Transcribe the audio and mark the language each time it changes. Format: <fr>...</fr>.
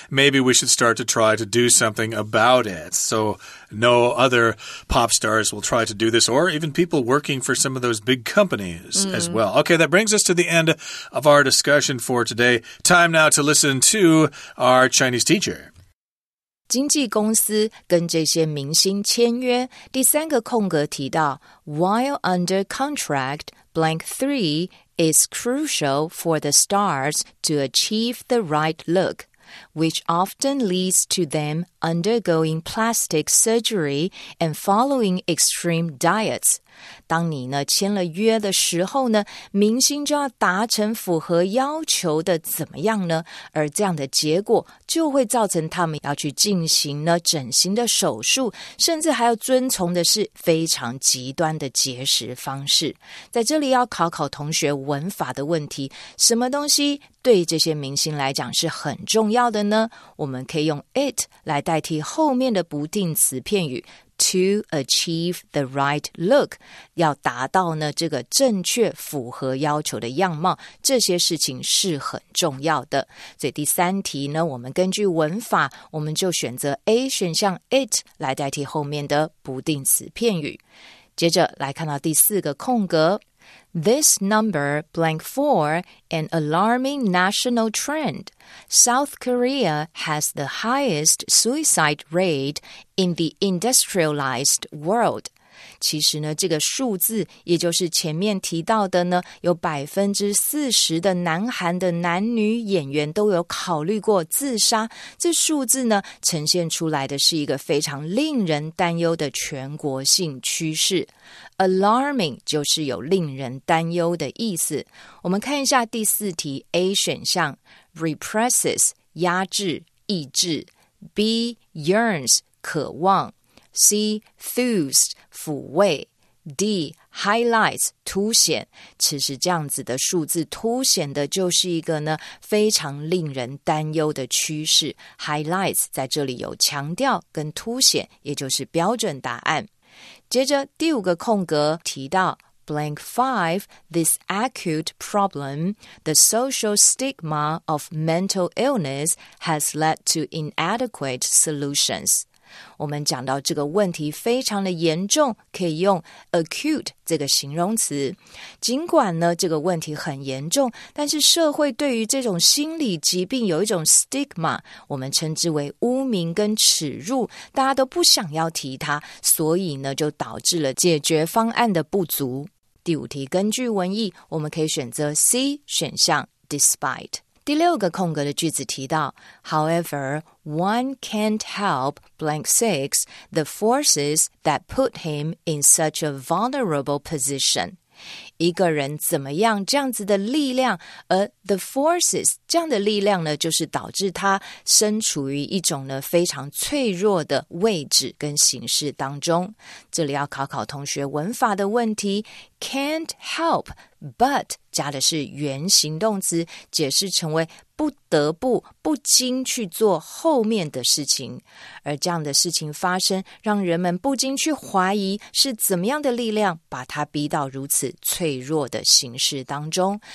<en>Maybe we should start to try to do something about it. So no other pop stars will try to do this, or even people working for some of those big companies as well. Okay, that brings us to the end of our discussion for today. Time now to listen to our Chinese teacher.</en> <zh>经纪公司跟这些明星签约。第三个空格提到</zh> <en>while under contract, blank three is crucial for the stars to achieve the right look, which often leads to them undergoing plastic surgery and following extreme diets.</en> <zh>当你呢签了约的时候呢，明星就要达成符合要求的怎么样呢？而这样的结果就会造成他们要去进行呢整形的手术，甚至还要遵从的是非常极端的节食方式。在这里要考考同学文法的问题，什么东西对这些明星来讲是很重要的呢？我们可以用 it 来代替后面的不定词片语</zh> <en>To achieve the right look,</en> <zh>要达到呢这个正确符合要求的样貌，这些事情是很重要的。所以第三题呢，我们根据文法，我们就选择 A 选项 it 来代替后面的不定词片语。接着来看到第四个空格。</zh> <en>This number, blank four, an alarming national trend. South Korea has the highest suicide rate in the industrialized world.</en> <zh>其实呢，这个数字也就是前面提到的呢，有 40% 的南韩的男女演员都有考虑过自杀。这数字呢，呈现出来的是一个非常令人担忧的全国性趋势。 Alarming 就是有令人担忧的意思。我们看一下第四题 A 选项 Represses 压制抑制 B yearns 渴望 C thused 抚慰 D highlights 凸显。其实这样子的数字凸显的就是一个呢非常令人担忧的趋势。 Highlights 在这里有强调跟凸显，也就是标准答案。接着第五个空格提到</zh> <en>blank five, this acute problem, the social stigma of mental illness has led to inadequate solutions.</en> <zh>我们讲到这个问题非常的严重，可以用 acute 这个形容词。尽管呢这个问题很严重，但是社会对于这种心理疾病有一种 stigma, 我们称之为污名跟耻辱，大家都不想要提它，所以呢就导致了解决方案的不足。第五题根据文意，我们可以选择 C 选项 despite。第六个空格的句子提到</zh> <en>However, one can't help blank six the forces that put him in such a vulnerable position.</en> <zh>一个人怎么样这样子的力量，而 the forces 这样的力量呢，就是导致他身处于一种呢非常脆弱的位置跟形式当中。这里要考考同学文法的问题， can't help but 加的是原形动词，解释成为不得不不禁去做后面的事情，而这样的事情发生让人们不禁去怀疑是怎么样的力量把他逼到如此脆弱的形式当中。</zh>